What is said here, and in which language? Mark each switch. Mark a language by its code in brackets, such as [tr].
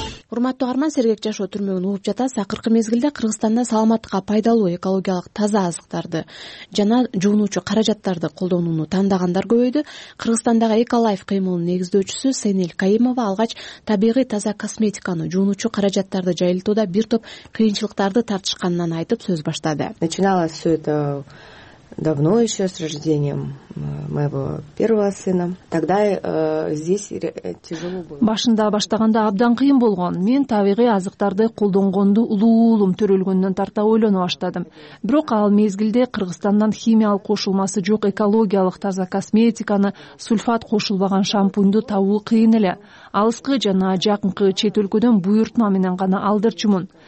[ky] Урматтуу агарман, сергек жашоо түрмөгүн угуп жатасыз. Акыркы мезгилде Кыргызстанда саламатка пайдалуу экологиялык таза азыктарды жана жуунуучу каражаттарды колдонууну тандагандар көбөйдү. Кыргызстандагы Эко Лайф кыймылынын негиздөөчүсү Сейнел Каимова алгач табигый таза косметиканы жуунуучу каражаттарды жайылтууда бир топ кыйынчылыктарды тартышканынан айтып сөз баштады. [ru] Начиналось всё это давно еще с рождением моего первого сына. Тогда здесь тяжело было. [ky] Башында баштаганда абдан кыйын болгон. Мен табигый азыктарды колдонгонду улуулум төрөлгөндөн тарта ойлоно баштадым. Бирок ал мезгилде Кыргызстандан химиялык кошулмасы жок экологиялык таза косметиканы, сульфат кошулбаган шампунду табуу кыйын эле. Алыскы жана жакынкы чет өлкөдөн буйрутма менен гана алдырчумун.